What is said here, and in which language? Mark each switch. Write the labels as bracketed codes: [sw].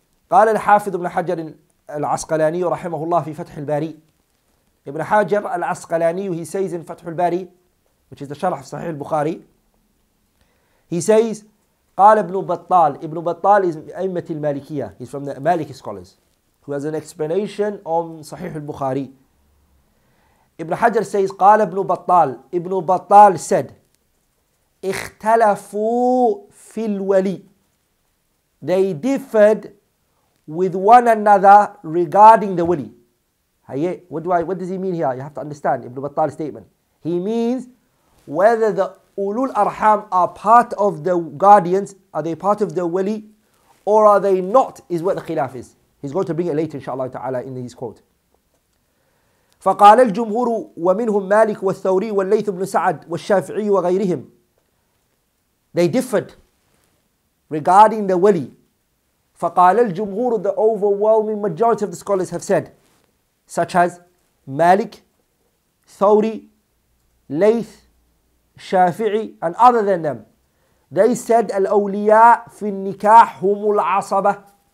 [ar] قال الحافظ ابن حجر العسقلاني رحمه الله في فتح الباري. [en] Ibn Hajar al-Asqalani, he says in Fathul Bari, which is the Sharh of Sahih al-Bukhari, He says, [ar] قال ابن بطال. [en] Ibn Battal is [ar] أئمة المالكية. [en] He's from the Maliki scholars, who has an explanation on Sahih al-Bukhari. Ibn Hajar says, [ar] قال ابن بطال. [en] Ibn Battal said, [ar] اختلفوا في الولي. [en] They differed with one another regarding the wali. What does he mean here? You have to understand Ibn Battal's statement. He means whether the Ulul Arham are part of the guardians, are they part of the wali, or are they not, is what the khilaf is. He's going to bring it later, inshallah ta'ala, in his quote. [ar] فقال الجمهور ومنهم مالك والثوري والليث بن سعد والشافعي وغيرهم. [en] They differed regarding the wali. [ar] فقال الجمهور, [en] the overwhelming majority of the scholars have said, such as Malik, Thawri, Layth, Shafi'i, and other than them, they said [ar] al-awliya fi nikah humul asaba.